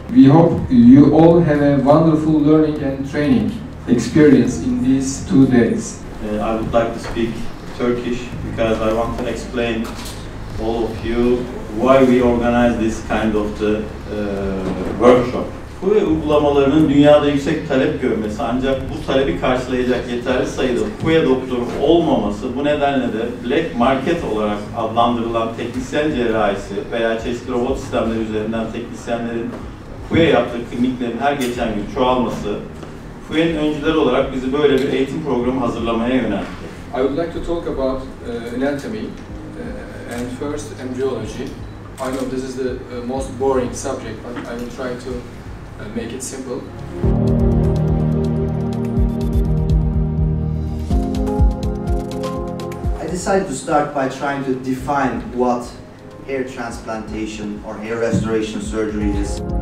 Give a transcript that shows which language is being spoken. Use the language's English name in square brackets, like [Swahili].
[English] We hope you all have a wonderful learning and training experience in these 2 days. I would like to speak Turkish because I want to explain all of you why we organize this kind of the workshop. [Turkish] FUE uygulamalarının dünyada yüksek talep görmesi ancak bu talebi karşılayacak yeterli sayıda FUE doktoru olmaması bu nedenle de black market olarak adlandırılan teknisyen cerrahisi veya çeşitli robot sistemleri üzerinden teknisyenlerin FUE yaptığı kliniklerin her geçen gün çoğalması FUE'nin öncüleri olarak bizi böyle bir eğitim programı hazırlamaya yöneltti. [English] I would like to talk about anatomy and first embryology. I know this is the most boring subject but I will try to make it simple. I decided to start by trying to define what hair transplantation or hair restoration surgery is.